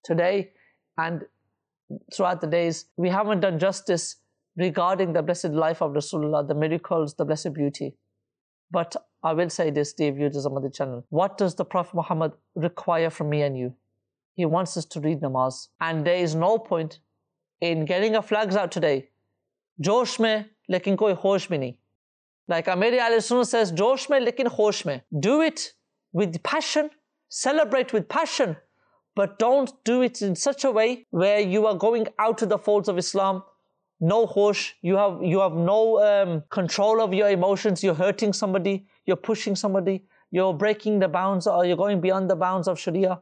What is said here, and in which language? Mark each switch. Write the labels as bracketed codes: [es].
[en] Today and throughout the days, we haven't done justice regarding the blessed life of Rasulullah, the miracles, the blessed beauty. But I will say this, dear viewers of the channel. What does the Prophet Muhammad require from me and you? He wants us to read namaz. And there is no point in getting our flags out today. [ur] جوش میں، لیکن کوئی ہوش میں نہیں. [en] Like Amiri Al-Sunnah says, [ur] جوش میں، لیکن ہوش میں. [en] Do it with passion. Celebrate with passion. But don't do it in such a way where you are going out of the folds of Islam. No hosh. You have no control of your emotions. You're hurting somebody. You're pushing somebody. You're breaking the bounds, or you're going beyond the bounds of Sharia.